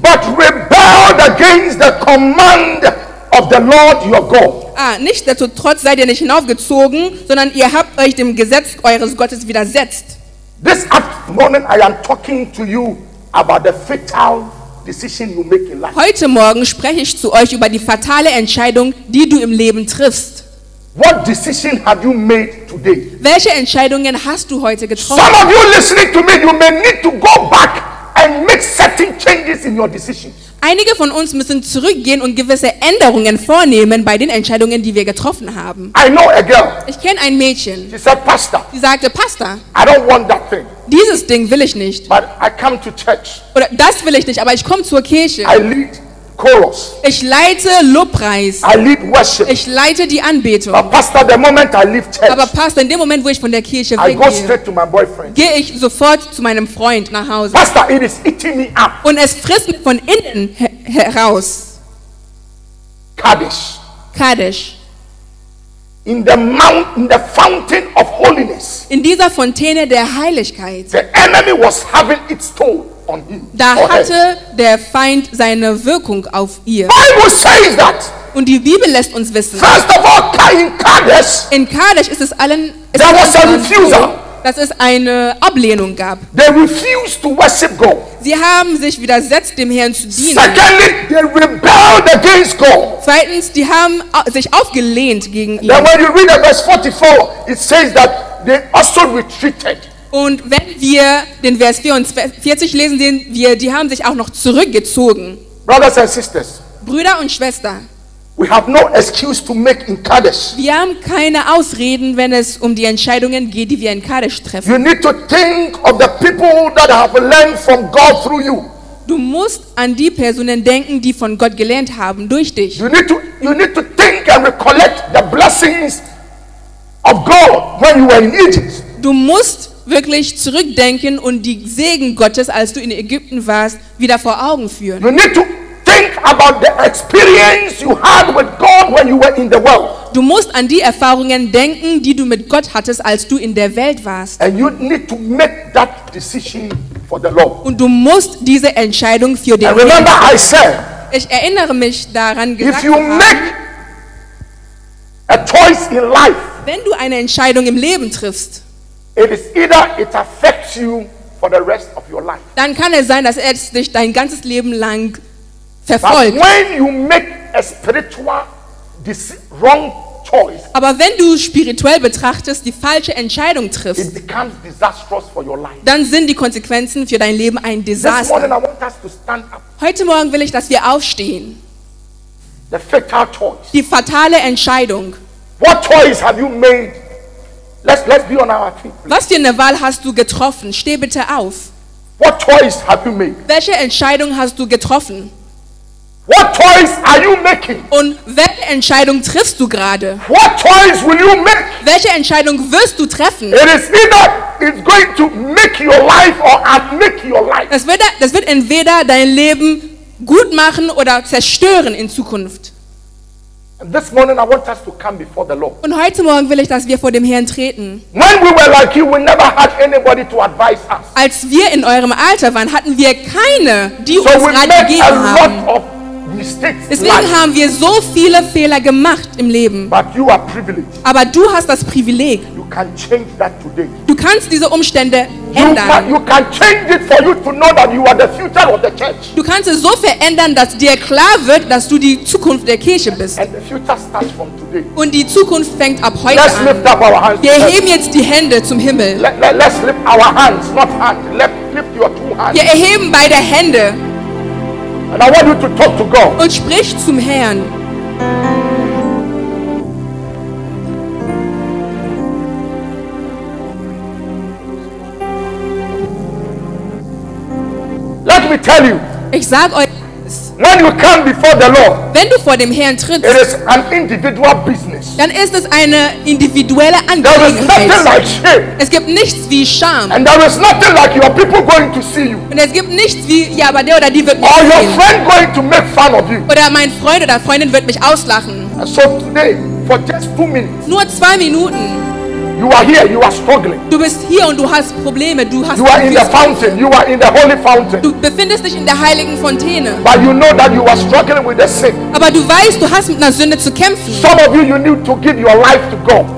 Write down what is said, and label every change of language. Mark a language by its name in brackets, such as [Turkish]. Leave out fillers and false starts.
[English] but rebelled against the command of the Lord your God. [German] Nichtsdestotrotz seid ihr nicht hinaufgezogen, sondern ihr habt euch dem Gesetz eures Gottes widersetzt. [English] This afternoon I am talking to you about the fatal decision you make in life. [German] Heute Morgen spreche ich zu euch über die fatale Entscheidung, die du im Leben triffst. [English] What decision have you made today? [German] Welche Entscheidungen hast du heute getroffen? [English] Some of you listening to me, you may need to go back and make certain changes in your decisions. [German] Einige von uns müssen zurückgehen und gewisse Änderungen vornehmen bei den Entscheidungen, die wir getroffen haben. [English] I know a girl. [German] Ich kenne ein Mädchen. [English] She said, Pastor. [German] Sie sagte, Pastor. [English] I don't want that thing. [German] Dieses Ding will ich nicht. [English] But I come to church. [German] Oder das will ich nicht, aber ich komme zur Kirche. [English] I lead chorus. [German] Ich leite Lobpreis. [English] I lead worship. [German] Ich leite die Anbetung. [English] But Pastor, the moment I leave church, [German] aber Pastor, in dem Moment, wo ich von der Kirche weggehe, [English] I go straight to my boyfriend. [German] Gehe ich sofort zu meinem Freund nach Hause. [English] Pastor, it is eating me up. [German] Und es frisst mich von innen heraus. [English] Kadesh. [German] Kadesh. [English] In the fountain of holiness. [German] In dieser Fontäne der Heiligkeit. [English] The enemy was having its toll on him. [German] Da hatte der Feind seine Wirkung auf ihr. [English] Bible says that. [German] Und die Bibel lässt uns wissen. [English] First of all, in Kadesh. [German] In Kadesh ist es allen. Ist [English] there was a refusal. [German] Dass es eine Ablehnung gab. [English] They refused to worship God. [German] Sie haben sich widersetzt, dem Herrn zu dienen. [English] Secondly, they rebelled against God. [German] Zweitens, die haben sich aufgelehnt gegen ihn. [English] Then when you read verse 44, it says that they also retreated. [German] Und wenn wir den Vers 44 lesen, sehen wir, die haben sich auch noch zurückgezogen. [English] Brothers and sisters. [German] Brüder und Schwestern. [English] We have no excuse to make in Kadesh. [German] Wir haben keine Ausreden, wenn es um die Entscheidungen geht, die wir in Kadesh treffen. [English] You need to think of the people that have learned from God through you. [German] Du musst an die Personen denken, die von Gott gelernt haben durch dich. [English] You need to think and recollect the blessings of God when you were in Egypt. [German] Du musst wirklich zurückdenken und die Segen Gottes, als du in Ägypten warst, wieder vor Augen führen. [English] You need to think about the experience you had with God when you were in the world. [German] Du musst an die Erfahrungen denken, die du mit Gott hattest, als du in der Welt warst. [English] And you need to make that decision for the Lord. [German] Und du musst diese Entscheidung für den Herrn. [English] Remember, I said. [German] ich erinnere mich daran, gesagt [English] if you make a choice in life, [German] wenn du eine Entscheidung im Leben triffst, [English] it is either it affects you for the rest of your life. [German] Dann kann es sein, dass es dich dein ganzes Leben lang verfolgt. [English] But when you make a spiritual wrong choice, [German] aber wenn du spirituell betrachtest, die falsche Entscheidung triffst, [English] it becomes disastrous for your life. [German] Dann sind die Konsequenzen für dein Leben ein Desaster. [English] This morning I want us to stand up. [German] Heute Morgen will ich, dass wir aufstehen. [English] The fatal choice. [German] Die fatale Entscheidung. [English] What choice have you made? Let's be on our feet. [German] Was für eine Wahl hast du getroffen? Steh bitte auf. [English] What choice have you made? [German] Welche Entscheidung hast du getroffen? [English] What choice are you making? [German] Und welche Entscheidung triffst du gerade? [English] What choice will you make? [German] Welche Entscheidung wirst du treffen? [English] It is either it's going to make your life or unmake your life. [German] Das wird entweder dein Leben gut machen oder zerstören in Zukunft. [English] And this morning I want us to come before the Lord. [German] Und heute Morgen will ich, dass wir vor dem Herrn treten. [English] When we were like you, we never had anybody to advise us. [German] Als wir in eurem Alter waren, hatten wir keine, die uns Rat gegeben haben. Deswegen haben wir so viele Fehler gemacht im Leben. [English] But you are privileged. [German] Aber du hast das Privileg. [English] You can change that today. [German] Du kannst diese Umstände ändern. [English] You can change it for you to know that you are the future of the church. [German] Du kannst es so verändern, dass dir klar wird, dass du die Zukunft der Kirche bist. [English] And the future starts from today. [German] Und die Zukunft fängt ab heute [English] let's [German] an. [English] Lift up our hands. [German] Wir heben jetzt die Hände zum Himmel. [English] Let's lift our hands, not hands. Lift your two hands. [German] Wir erheben beide Hände. [English] And I want you to talk to God. [German] Und sprich zum Herrn. [English] Let me tell you. [German] Ich sag euch, [English] when you come before the Lord, [German] wenn du vor dem Herrn trittst, [English] it is an individual business. [German] Dann ist es eine individuelle Angelegenheit. [English] There is nothing like shame. [German] Es gibt nichts wie Scham. [English] And there is nothing like your people going to see you. [German] Und es gibt nichts wie ja, aber der oder die wird mich sehen. [English] your friend going to make fun of you. [German] Oder mein Freund oder Freundin wird mich auslachen. [English] And so today, for just 2 minutes. [German] Nur 2 Minuten. [English] You are here, you are struggling. [German] Du bist hier und du hast Probleme, du hast [English] You are in the fountain, you are in the holy fountain. [German] Du befindest dich in der heiligen Fontäne. [English] But you know that you are struggling with the sin. [German] Aber du weißt, du hast mit einer Sünde zu kämpfen. [English] Some of you need to give your life to God.